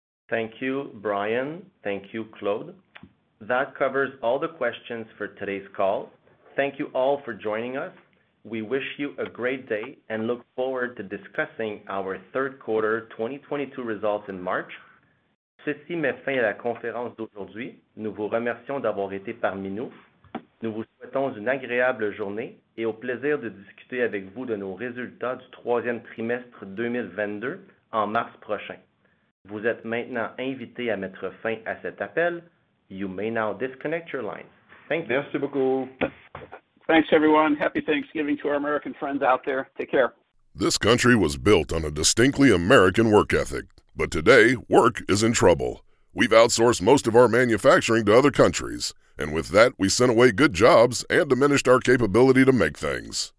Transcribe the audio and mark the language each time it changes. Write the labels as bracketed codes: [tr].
[en] Thank you, Brian. Thank you, Claude. That covers all the questions for today's call. Thank you all for joining us. We wish you a great day and look forward to discussing our third quarter 2022 results in March. [fr] Ceci met fin à la conférence d'aujourd'hui. Nous vous remercions d'avoir été parmi nous. Nous vous souhaitons une agréable journée et au plaisir de discuter avec vous de nos résultats du troisième trimestre 2022 en mars prochain. Vous êtes maintenant invité à mettre fin à cet appel. [en] You may now disconnect your lines. Thank you. [fr] Merci beaucoup. [en] Thanks, everyone. Happy Thanksgiving to our American friends out there. Take care. This country was built on a distinctly American work ethic, but today work is in trouble. We've outsourced most of our manufacturing to other countries, and with that, we sent away good jobs and diminished our capability to make things.